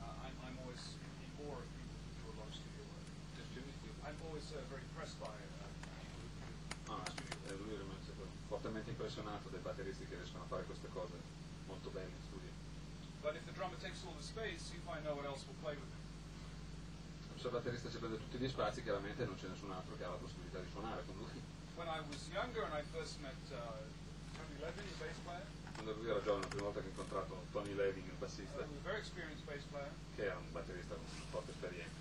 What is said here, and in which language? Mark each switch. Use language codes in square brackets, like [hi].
[en] I'm always in awe of people who do a lot of studio work. I'm always very impressed by people who do studio work. [it] Lui è fortemente impressionato dai batteristi che riescono a fare queste cose molto bene in studio. [en] But if the drummer takes all the space, you find no one else will play with it. [it] Se il batterista si prende tutti gli spazi, chiaramente non c'è nessun altro che ha la possibilità di suonare con lui. [en] When I was younger and I first met Tony Levin, the bass player. [it] Quando lui era giovane, la prima volta che ho incontrato Tony Levin, il bassista. [en] A very experienced bass player. [it] Che è un batterista con una forte esperienza.